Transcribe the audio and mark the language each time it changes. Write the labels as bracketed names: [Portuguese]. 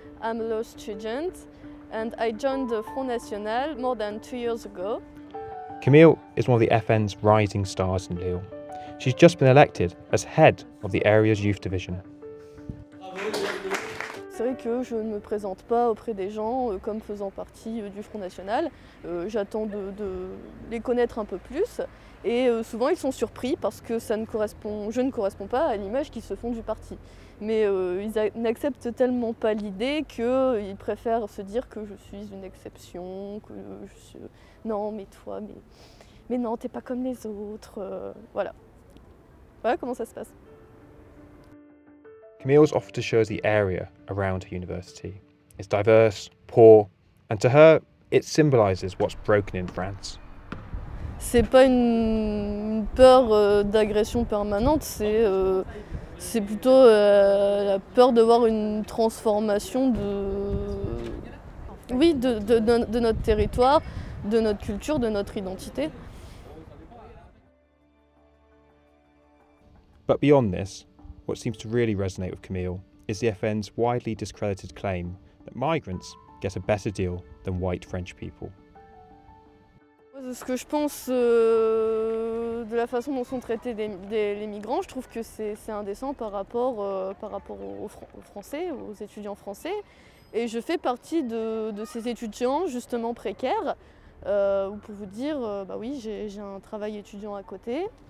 [English] I'm a law student, and I joined the Front National more than 2 years ago. Camille is one of the FN's rising stars in Lille. She's just been elected as head of the area's youth division. [French] C'est vrai que je ne me présente pas auprès des gens comme faisant partie du Front National. J'attends de les connaître un peu plus, et souvent ils sont surpris parce que je ne correspond pas à l'image qu'ils se font du parti. Mais ils n'acceptent tellement pas l'idée qu'ils préfèrent se dire que je suis une exception, que je suis... Non, mais toi, mais non, t'es pas comme les autres. Voilà. Voilà comment ça se passe. [English] Camille's offer to show us the area around her university. It's diverse, poor, and to her, it symbolizes what's broken in France. [French] C'est pas une peur d'agression permanente, c'est... C'est plutôt la peur de voir une transformation de notre territoire, de notre culture, de notre identité. [English] But beyond this, what seems to really resonate with Camille is the FN's widely discredited claim that migrants get a better deal than white French people. [French] Ce que je pense de la façon dont sont traités les migrants, je trouve que c'est indécent par rapport aux Français, aux étudiants français. Et je fais partie de ces étudiants justement précaires, pour vous dire, j'ai un travail étudiant à côté.